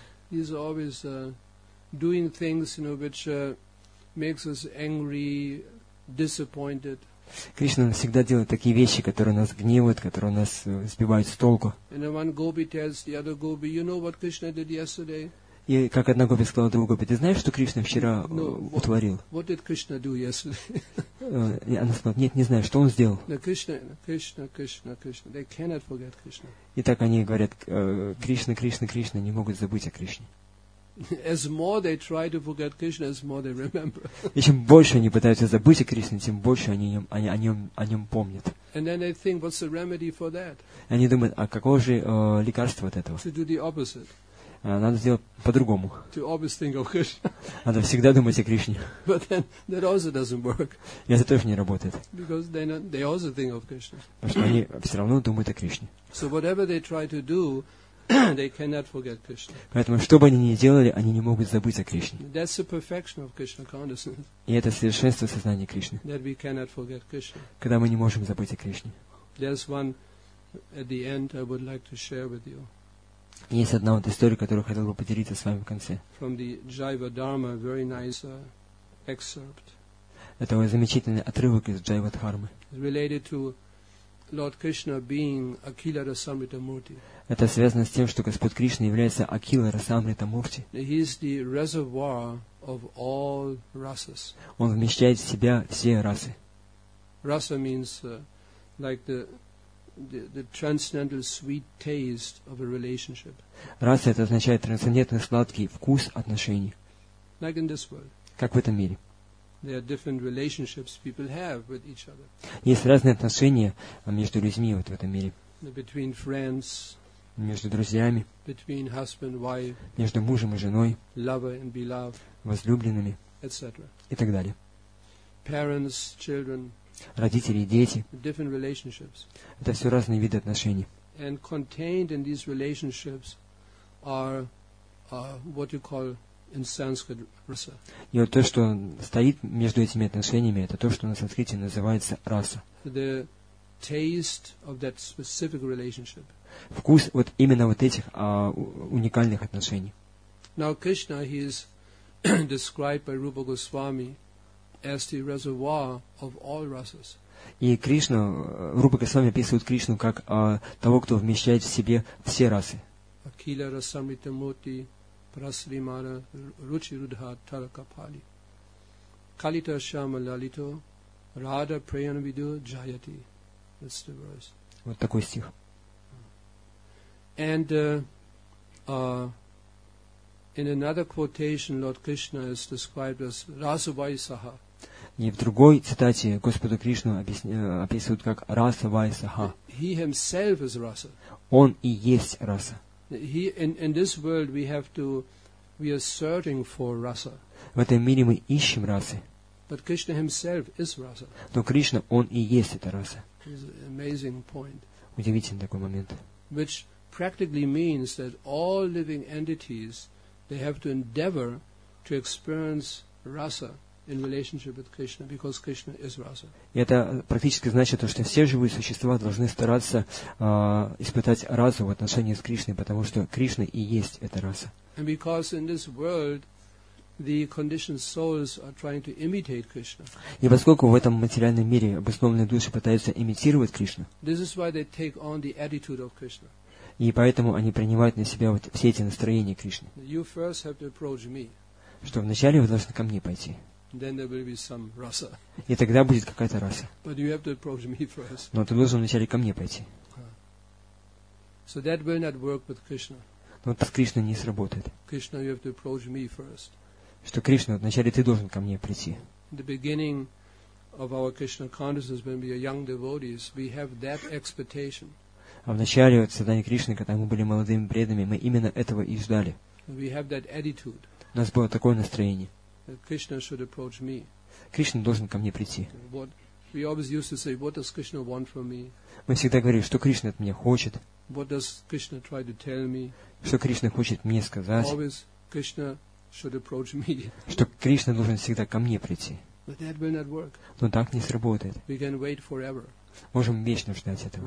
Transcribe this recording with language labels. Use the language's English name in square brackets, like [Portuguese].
[English] He's always doing things, you know, which makes us angry, disappointed. [Russian] Кришна всегда делает такие вещи, которые нас гневают, которые нас сбивают с толку. [English] And one gopi tells the other gopi, you know what Krishna did yesterday? [Russian] И как одна гопи сказала другой гопи, ты знаешь, что Кришна вчера утворил? [English] What did Krishna do yesterday? [Russian] Она сказала, нет, не знаю, что он сделал. [English] No, Krishna, Krishna, Krishna, Krishna. They cannot forget Krishna. [Russian] И так они говорят, Кришна, Кришна, Кришна, не могут забыть о Кришне. [English] As more they try to forget Krishna, as more they remember. [Russian] И чем больше они пытаются забыть о Кришне, тем больше они о нем помнят. [English] And then they think, what's the remedy for that? [Russian] И они думают, а какое же лекарство от этого? [English] To do the opposite. [Russian] Надо сделать по-другому. [English] To always think of Krishna. [Russian] Надо всегда думать о Кришне. [English] But then that also doesn't work. [Russian] И это тоже не работает. [English] Because they also think of Krishna. [Russian] Потому что они все равно думают о Кришне. [English] So whatever they try to do, They cannot forget Krishna. [Russian] Поэтому, что бы они ни делали, они не могут забыть о Кришне. [English] That's the perfection of Krishna consciousness. [Russian] И это совершенство сознания Кришны. [English] That we cannot forget Krishna. [Russian] Когда мы не можем забыть о Кришне. [English] There's one at the end I would like to share with you. [Russian] Есть одна вот история, которую я хотел бы поделиться с вами в конце. [English] From the Jiva Dharma, very nice excerpt. [Russian] Это вот замечательный отрывок из Jiva Dharma. [English] Related to Lord Krishna being Akhila Rasamrita Murti. [Russian] Это связано с тем, что Господь Кришна является Акила Расамрита Мурти. [English] He is the reservoir of all rasas. [Russian] Он вмещает в себя все расы. [English] Rasa means like the transcendental sweet taste of a relationship. [Russian] Раса — это означает трансцендентный сладкий вкус отношений. [English] Like in this world. [Russian] Как в этом мире. [English] There are different relationships people have with each other. [Russian] Есть разные отношения между людьми вот в этом мире. [English] Between friends. [Russian] Между друзьями. [English] Between husband, wife. [Russian] Между мужем и женой. [English] Lover and beloved. [Russian] Возлюбленными. [English] Etc. [Russian] И так далее. [English] Parents, children. [Russian] Родители, дети. [English] Different relationships. [Russian] Это все разные виды отношений. [English] And contained in these relationships are what you call in Sanskrit rasa. [Russian] И вот то, что стоит между этими отношениями, это то, что на санскрите называется раса. [English] The taste of that specific relationship. [Russian] Вкус вот именно вот этих уникальных отношений. [English] Now Krishna, he is described by Rupa Goswami as the reservoir of all rasas. [Russian] И Кришна, Рупа Госвами описывает Кришну как того, кто вмещает в себе все расы. [Sanskrit] Акхила Расамрита Мурти Прасримана Ручи Рудха Таракапали Калита Шама Лалито Рада Прайана Виду Джаяти. [English] That's the verse. [Russian] Вот такой стих. [English] And in another quotation, Lord Krishna is described as Rasa Vaisaha. [Russian] И в другой цитате Господа Кришну описывают как Раса Вайсаха. [English] He himself is Rasa. [Russian] Он и есть Раса. [English] He in this world we are searching for Rasa. [Russian] В этом мире мы ищем Расы. [English] But Krishna himself is Rasa. [Russian] Но Кришна, он и есть эта Раса. [English] It's an amazing point. [Russian] Удивительный такой момент. [English] Which practically means that all living entities they have to endeavor to experience Rasa. In relationship with Krishna, because Krishna is Rasa. [Russian] Это практически значит то, что все живые существа должны стараться испытать Расу в отношении с Кришной, потому что Кришна и есть эта Раса. [English] And because in this world the conditioned souls are trying to imitate Krishna. [Russian] И поскольку в этом материальном мире обусловленные души пытаются имитировать Кришну. [English] This is why they take on the attitude of Krishna. [Russian] И поэтому они принимают на себя вот все эти настроения Кришны. [English] You first have to approach me. [Russian] Что вначале вы должны ко мне пойти. [English] Then there will be some rasa. [Russian] И тогда будет какая-то раса. [English] But you have to approach me first. [Russian] Но ты должен вначале ко мне пойти. [English] So that will not work with Krishna. [Russian] Но это с Кришной не сработает. [English] Krishna, you have to approach me first. [Russian] Что Кришна, вначале ты должен ко мне прийти. [English] The beginning of our Krishna consciousness, when we are young devotees, we have that expectation. [Russian] А в начале вот создания Кришны, когда мы были молодыми преданными, мы именно этого и ждали. [English] We have that attitude. [Russian] У нас было такое настроение. [English] Krishna should approach me. [Russian] Кришна должен ко мне прийти. [English] What we always used to say, what does Krishna want from me? [Russian] Мы всегда говорили, что Кришна от меня хочет. [English] What does Krishna try to tell me? [Russian] Что Кришна хочет мне сказать? [English] Always Krishna should approach me. [Russian] Что Кришна должен всегда ко мне прийти. [English] But that will not work. [Russian] Но так не сработает. [English] We can wait forever. [Russian] Можем вечно ждать этого.